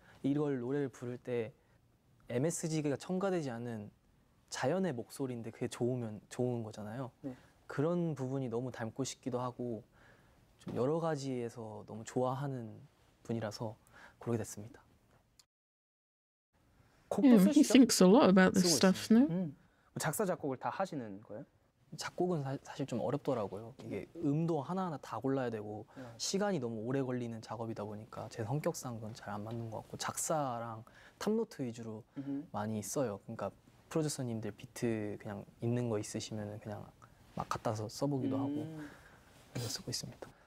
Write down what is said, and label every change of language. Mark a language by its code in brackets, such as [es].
[ko] 이걸 노래를 부를 때 MSG가 첨가되지 않은 자연의 목소리인데 그게 좋으면 좋은 거잖아요. 네. 그런 부분이 너무 닮고 싶기도 하고 여러 가지에서 너무 좋아하는 분이라서 그렇게 됐습니다. [en] Yeah, he thinks a lot about this stuff, no? [ko] 작사 작곡을 다 하시는 거예요? 작곡은 사실 좀 어렵더라고요. 이게 음도 하나하나 다 골라야 되고 시간이 너무 오래 걸리는 작업이다 보니까 제 성격상은 잘 안 맞는 것 같고 작사랑 탑노트 위주로 많이 써요. 그러니까 프로듀서님들 비트 그냥 있는 거 있으시면 그냥 막 갖다서 써보기도 하고 그래서 쓰고 있습니다.